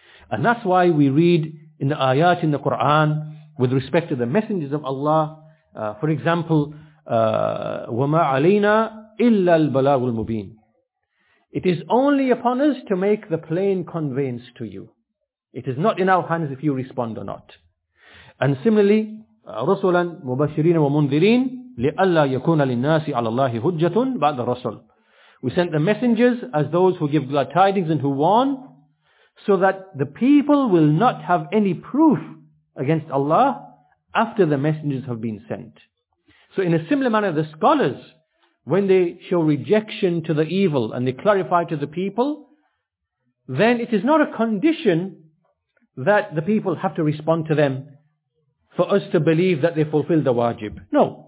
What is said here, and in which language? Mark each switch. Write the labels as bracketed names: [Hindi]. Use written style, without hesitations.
[English] And that's why we read in the ayat in the Quran with respect to the messengers of Allah, for example, [Arabic] وَمَا عَلَيْنَا إِلَّا الْبَلَاغُ الْمُبِينَ. [English] It is only upon us to make the plain conveyance to you. It is not in our hands if you respond or not. And similarly, [Arabic] رُسُلًا مُبَشِّرِينَ وَمُنذِرِينَ لِأَلَّا يَكُونَ لِلنَّاسِ عَلَى اللَّهِ هُجَّةٌ بَعْدَ الرَّسُلِ. [English] We sent the messengers as those who give glad tidings and who warn, so that the people will not have any proof against Allah after the messengers have been sent. So in a similar manner, the scholars, when they show rejection to the evil and they clarify to the people, then it is not a condition that the people have to respond to them for us to believe that they fulfill the wajib. No.